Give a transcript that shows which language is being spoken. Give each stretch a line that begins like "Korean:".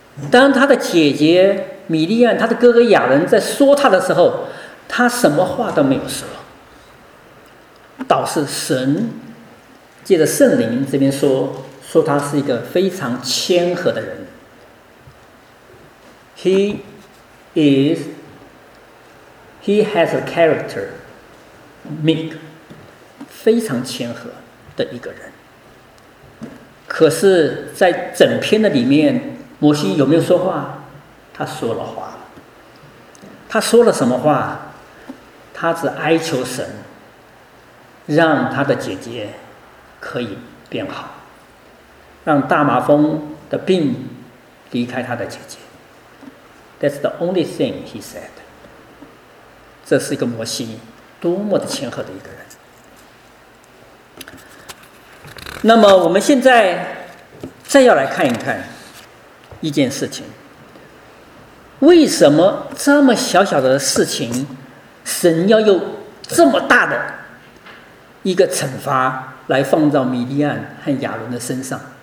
Chinese: 当他的姐姐米利暗，他的哥哥亚伦在说他的时候，他什么话都没有说，倒是神借着圣灵这边说他是一个非常谦和的人。
English: He has a character meek，
Chinese: 非常谦和的一个人。可是在整篇的里面，摩西有没有说话？他说了话。他说了什么话？他只哀求神让他的姐姐可以变好，让大麻风的病离开他的姐姐。
English: That's the only thing he said。
Chinese: 这是一个摩西多么的谦和的一个人。那么我们现在再要来看一看一件事情，为什么这么小小的事情，神要用这么大的一个惩罚来放到米利暗和亚伦的身上？